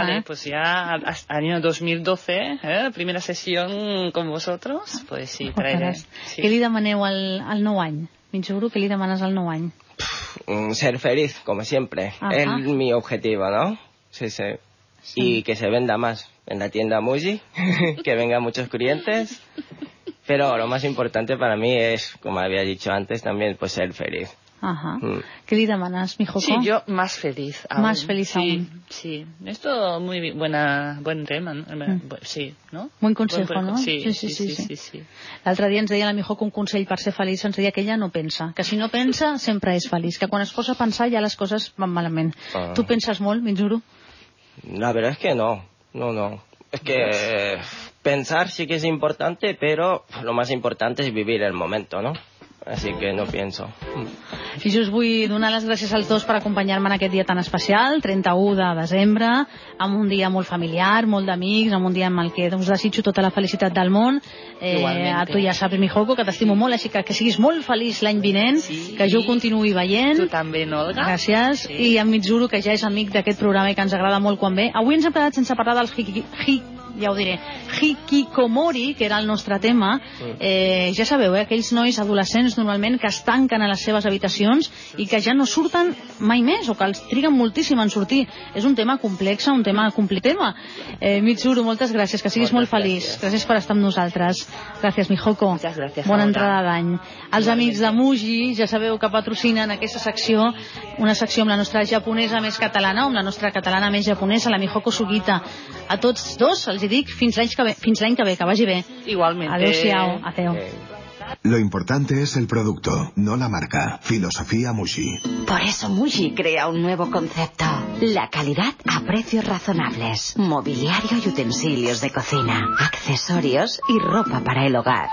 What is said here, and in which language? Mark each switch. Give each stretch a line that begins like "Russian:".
Spanish: Vale, pues ya, año 2012, primera sessió con vosotros, pues sí, traeré.
Catalan: Què li demaneu al nou any?
Spanish: Minchuru, ¿qué le demanas al nuevo año? Ser feliz, como siempre. Ajá. Es mi objetivo, ¿no? Sí, sí, sí. Y que se venda más en la tienda Muji, que vengan muchos clientes. Pero lo más importante para mí es, como había dicho antes también, pues ser feliz. Ajá. ¿Qué le demanas, mi Joko? Sí, yo más feliz aún. Más feliz sí, aún. Sí, sí. Esto muy buen tema, ¿no? Sí, ¿no? Buen consejo, buen, ¿no? Sí, sí, sí. Sí, sí, sí, sí, sí.
Catalan: L'altre dia ens deia la mi Joko un consell per ser feliç, ens deia que ella no pensa. Que si no pensa, sempre és feliç. Que quan es posa a pensar ja les coses van malament. Tu penses molt, m'hi juro?
Spanish: La verdad es que no. No, no. Es que pensar sí que es importante, pero lo más importante es vivir el momento, ¿no? Así que no pienso.
Catalan: I jo us vull donar les gràcies als dos per acompanyar-me en aquest dia tan especial, 31 de desembre, amb un dia molt familiar, molt d'amics, amb un dia en el que us desitjo tota la felicitat del món. Igualment. A tu ja saps, mi Joko, que t'estimo molt, així que siguis molt feliç l'any vinent, sí, que jo ho continuï veient. Tu també, Olga. Gràcies. Sí. I em mitjuro que ja és amic d'aquest programa i que ens agrada molt quan ve. Avui ens hem quedat sense parlar dels ja ho diré, hikikomori, que era el nostre tema. Ja sabeu, aquells nois adolescents normalment que es tanquen a les seves habitacions i que ja no surten mai més o que els triguen moltíssim en sortir. És un tema complex, un tema complit. Mitsuru, moltes gràcies, que siguis moltes molt feliç. Gràcies per estar amb nosaltres. Gràcies, mi Joko. Moltes gràcies. Bona entrada d'any. Els amics de Muji, ja sabeu que patrocinen aquesta secció, una secció amb la nostra japonesa més catalana, amb la nostra catalana més japonesa, la mi Joko Sugita. A tots dos els dic fins l'any que ve, fins l'any que ve, que vagi bé. Igualment. Adéu-siau. Adéu.
Spanish: Lo importante es el producto, no la marca. Filosofía Muji. Por eso Muji crea un nuevo concepto. La calidad a precios razonables. Mobiliario y utensilios de cocina. Accesorios y ropa para el hogar.